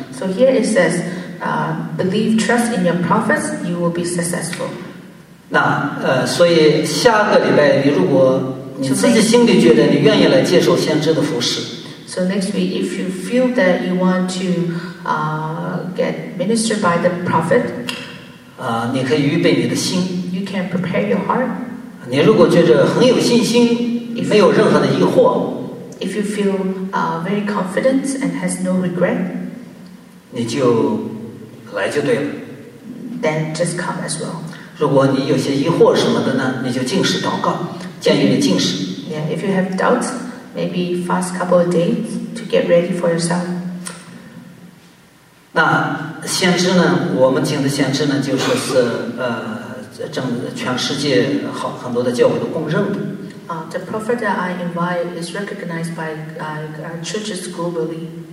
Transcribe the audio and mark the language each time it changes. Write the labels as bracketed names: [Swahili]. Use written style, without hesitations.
[English] So here it says, believe, trust in your prophets, you will be successful. [Chinese] 那所以下个礼拜你如果你自己心里觉得你愿意来接受先知的服侍。 [English] So next week, if you feel that you want to get ministered by the prophet, [Chinese] 你可以预备你的心。 [English] You can prepare your heart. [Chinese] 你如果觉得很有信心， [English] if, [Chinese] 没有任何的疑惑。 [English] If you feel very confident and has no regret, [Chinese] 你就来就对了。 [English] Then just come as well. [Chinese] 如果你有些疑惑什么的呢，你就禁食祷告，建议你禁食。 [English] Yeah, if you have doubts. Maybe fast couple of days to get ready for yourself. [Chinese] 那先知呢？我们请的先知呢，就说是正全世界好很多的教会都公认的。 [English] The prophet that I invite is recognized by churches globally.